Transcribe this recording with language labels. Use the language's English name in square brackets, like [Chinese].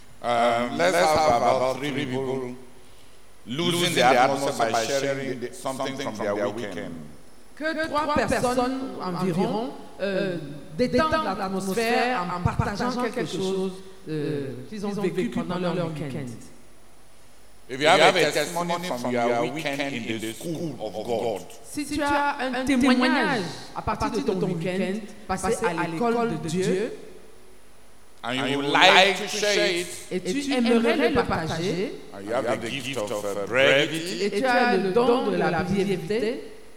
[English] Let's have about three people losing their atmosphere by sharing something from their weekend. [French] Que trois personnes environ détendent l'atmosphère en partageant quelque chose qu'ils ont vécu pendant leur week-end. [English] If you have a testimony from your weekend in the school of God, [French] si tu as un témoignage à partir de ton week-end passé à l'école de Dieu, [English] and you would like to share it, [French] et tu aimerais le partager, [English] and you have the gift of brevity, [French] et tu as le don de la brièveté,